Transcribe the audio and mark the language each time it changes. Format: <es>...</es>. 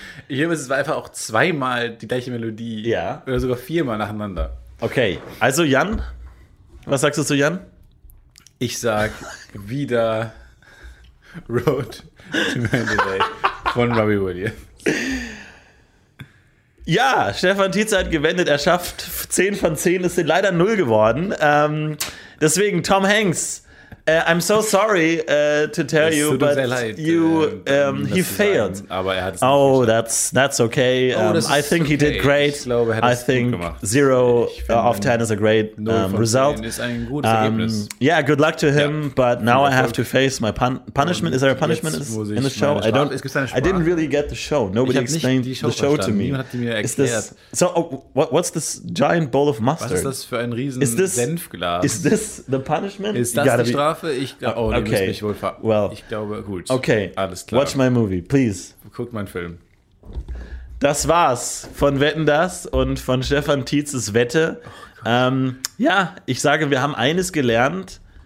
<de>Ich höre, es war einfach auch zweimal die gleiche Melodie. Ja. Oder sogar viermal nacheinander. Okay, also Jan, was sagst du zu Jan? Ich sag wieder Road to Mandalay von Robbie Williams. Ja, Stefan Tietze hat gewendet, er schafft 10 von 10, ist leider 0 geworden. Deswegen,</de> <en>Tom Hanks, I'm so sorry to tell you, but you, he failed.</en> <de>Aber er hat es nicht geschafft.</de> <en>That's okay. I think okay. He did great.</en> <de>Ich glaube, er hat</de> <en>I think</en> <de>gemacht.</de> <en>Zero of 10 is a great result.</en> <de>Ist ein gutes Ergebnis.</de> <en>Yeah, good luck to him, ja. But now I have to face my punishment. Is there a punishment in the show? I don't. I didn't really get the show. Nobody explained the show to me.</en> <de>Niemand hat mir erklärt.</de> <en>This, so, what's this giant bowl of mustard?</en> <de>Was ist das für ein riesen Senfglas?</de> <en>Is this the punishment?</en> <de>Ist das die Strafe? Ich glaube,</de> <en>okay.</en> <de>Mich wohl</de> <en>well,</en> <de>ich glaube, gut.</de> <en>Okay,</en> <de>alles klar.</de> <en>Watch my movie, please.</en> <de>Guck meinen Film. Das war's von Wetten, dass und von Stefan Tietzes Wette. Ja, ich sage, wir haben eines gelernt.</de>